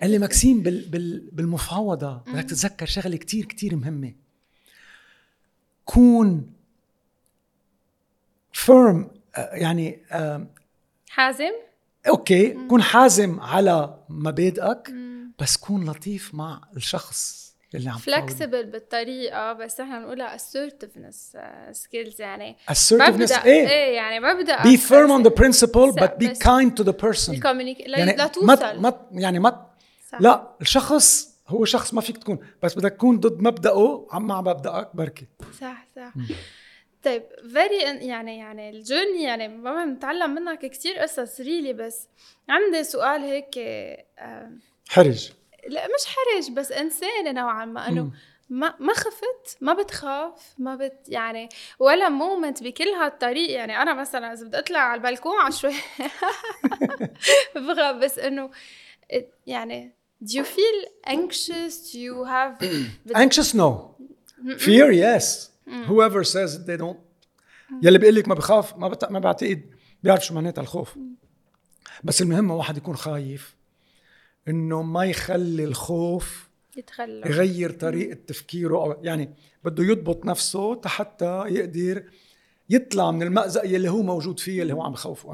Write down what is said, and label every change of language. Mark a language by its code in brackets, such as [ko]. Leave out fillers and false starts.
[ar] قال لي ماكسيم بالمفاوضة بدك تتذكر شغلة كتير كتير مهمة كون فيرم يعني حازم. اوكي كون حازم على مبادئك بس كون لطيف مع الشخص اللي عم فلكسبل بالطريقه. بس احنا بنقولها [en] assertiveness skills [ar] يعني [en] assertiveness [ar] ايه يعني مبدأ [en] be firm on the principle but be kind to the person [ar] يعني لا توصل يعني ما لا الشخص هو شخص ما فيك تكون بس بدك تكون ضد مبدأه عم مع مبدأك بركي. صح صح. طيب very يعني الجورني يعني ما متعلم منك كتير قصص ريلي. بس عندي سؤال هيك حرج. لا مش حرج بس انسان نوعا ما انه ما خفت ما بتخاف ما بت يعني ولا مومنت بكل هالطريق. يعني انا مثلا اذا بدي اطلع على البلكون عشوي بغرب. بس انه يعني [en] do you feel anxious do you have anxious no fear yes whoever says they don't [ar] يلي بيقول لك ما بخاف ما بعتقد بيعرف شو معناتها الخوف. بس المهم واحد يكون خايف انه ما يخلي الخوف يتخلى يغير طريقه تفكيره او يعني بده يضبط نفسه حتى يقدر يطلع من المأزق اللي هو موجود فيه اللي هو عم بخوفه.